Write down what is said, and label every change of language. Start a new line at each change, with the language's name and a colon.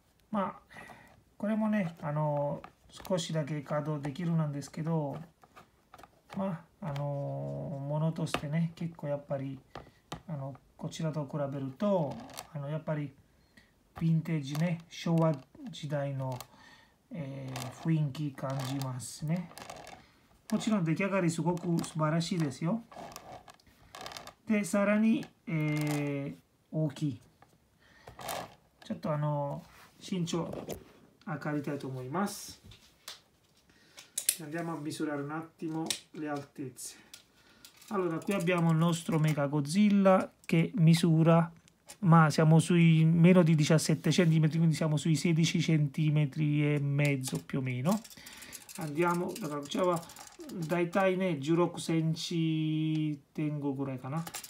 Japanese: まあこれもね、少しだけ稼働できるなんですけど、まあものとしてね、結構やっぱりこちらと比べると、やっぱりヴィンテージね、昭和時代の、雰囲気感じますね。もちろん出来上がりすごく素晴らしいですよ。で、さらに、大きい。ちょっと身長測りたいと思います。
Italian: andiamo a misurare un attimo le altezze. Allora, qui abbiamo il nostro Mega Godzilla che misura, ma siamo sui meno di 17 centimetri, quindi siamo sui 16 centimetri e mezzo più o meno. Andiamo, da
Japanese: だいたいね、16センチ前後ぐらいかな。